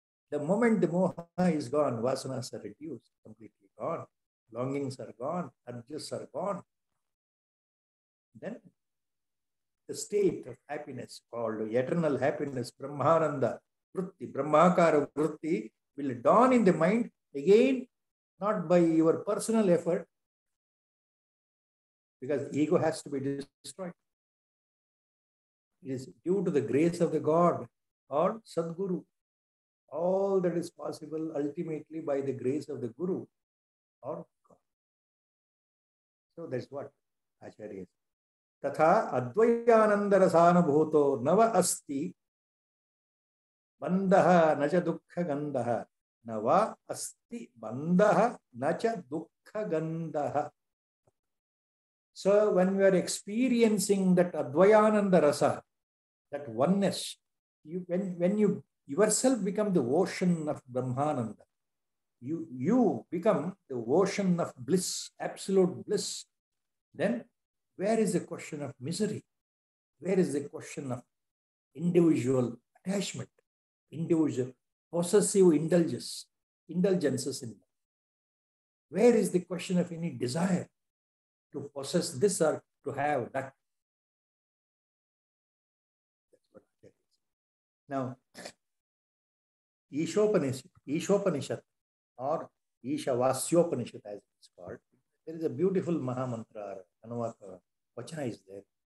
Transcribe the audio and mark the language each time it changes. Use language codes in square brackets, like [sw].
[en] The moment the moha is gone, vasanas are reduced, completely gone, longings are gone, urges are gone, then the state of happiness called eternal happiness, Brahmananda vritti, Brahmakara vritti, will dawn in the mind again, not by your personal effort, because ego has to be destroyed. It is due to the grace of the God or Sadguru. All that is possible ultimately by the grace of the Guru or God. So that's what Acharya is. [sa] ತಥಾ ಅದ್ವೈಯಾನಂದ ರಸಾನುಭೂತೋ ನವ ಅಸ್ತಿ ಬಂಧ ನಚ ದುಃಖ ಗಂಧ. ನವ ಅಸ್ತಿ ಬಂಧ ನಚ ದುಃಖ ಗಂಧ. [en] So when you are experiencing that advayananda rasa, that oneness, you when yourself become the ocean of brahmananda, you become the ocean of bliss, absolute bliss, then where is the question of misery? Where is the question of individual attachment, individual possessive indulgences in them. Where is the question of any desire to possess this or to have that? That's what I tell you. Now, Ishopanishad or Ishavasyopanishad, as it's called, there is a beautiful Mahamantra or Anuvaka Vachana is there.